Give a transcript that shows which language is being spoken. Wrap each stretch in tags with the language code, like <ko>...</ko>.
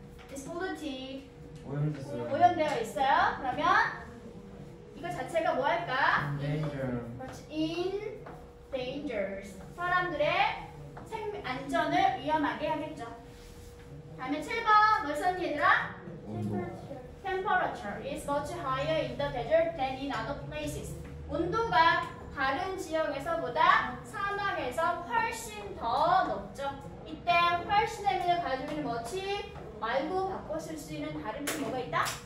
<en>It's polluted.</en> <ko>오염되어 있어요. 그러면 이거 자체가 뭐 할까?</ko> <en>In danger.</en> <ko>사람들의 안전을 위험하게 하겠죠. 다음에 7번 뭐 썼니 얘들아?</ko> <en>Temperature is much higher in the desert than in other places.</en> <ko>온도가 다른 지역에서보다 사막에서 훨씬 더 높죠. 이때 훨씬의 의미를 가지고 있는 뭐지? 말고 바꿔 쓸 수 있는 다른 표현 뭐가 있다?</ko>